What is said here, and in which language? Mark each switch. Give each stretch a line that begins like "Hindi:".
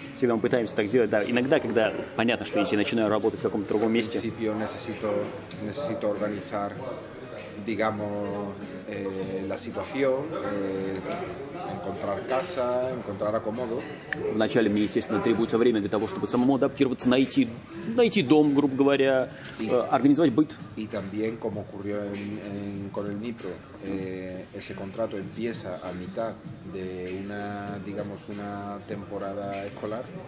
Russian: Всегда мы пытаемся так сделать, да. Иногда, когда понятно, что если начинаю работать в каком-то другом месте.
Spanish: En principio necesito organizar, digamos, la situación. Encontrar casa, encontrar acomodo.
Russian: Вначале мне, естественно, требуется время для того, чтобы самому адаптироваться, найти дом, грубо говоря, организовать быт.
Spanish: И también, como ocurrió con el Nipro, ese contrato empieza a mitad de una, digamos, una temporada escolar.